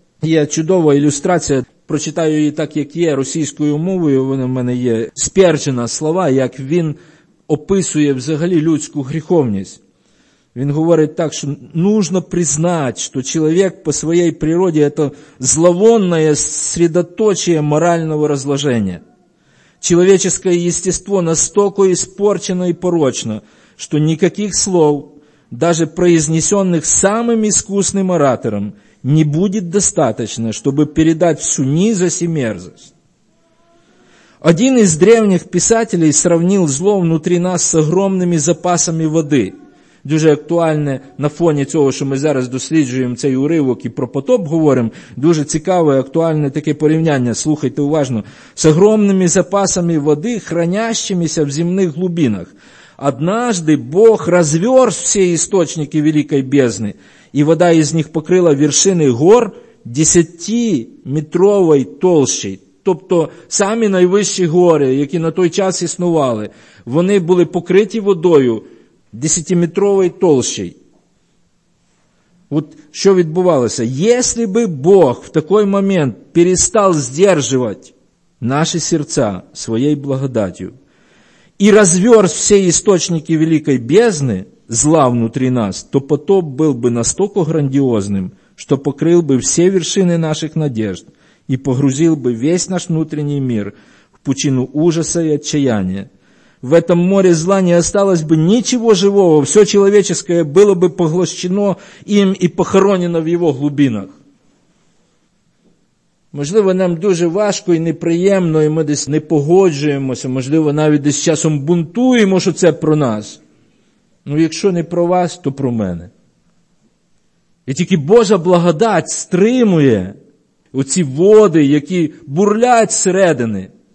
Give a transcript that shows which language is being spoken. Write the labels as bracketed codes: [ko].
[uk] Є чудова ілюстрація. Прочитаю її так, як є, російською мовою, вона в мене є, сперджена слова, як він описує взагалі людську гріховність. Він говорить так, що [ru] нужно признать, [uk] що чоловік по своїй природі – це зловонне середоточие морального розложення. [ru] Человеческое естество настолько испорчено і порочно, що ніяких слов, даже произнесенных самим искусным оратором, не будет достаточно, чтобы передать всю низость и мерзость. Один из древних писателей сравнил зло внутри нас с огромными запасами воды. [uk] Дуже актуальне на фоні цього, що ми зараз досліджуємо цей уривок і про потоп говоримо, дуже цікаве, актуальне таке порівняння, слухайте уважно. З огромними запасами води, [ru] хранящимися в земних глубинах. Однажды Бог разверз все источники великой бездны, и вода из них покрыла вершины гор 10-метровой толщей. [uk] Тобто самі найвищі гори, які на той час існували, вони були покриті водою [ru] 10-метровой толщей. Вот [uk] що відбувалося? [ru] Если бы Бог в такой момент перестал сдерживать наши сердца своей благодатью, и разверз все источники великой бездны, зла внутри нас, то потоп был бы настолько грандиозным, что покрыл бы все вершины наших надежд и погрузил бы весь наш внутренний мир в пучину ужаса и отчаяния. В этом море зла не осталось бы ничего живого, все человеческое было бы поглощено им и похоронено в его глубинах. [uk] Можливо, нам дуже важко і неприємно, і ми десь не погоджуємося, можливо, навіть десь часом бунтуємо, що це про нас. Ну, якщо не про вас, то про мене. І тільки Божа благодать стримує оці води, які бурлять зсередини.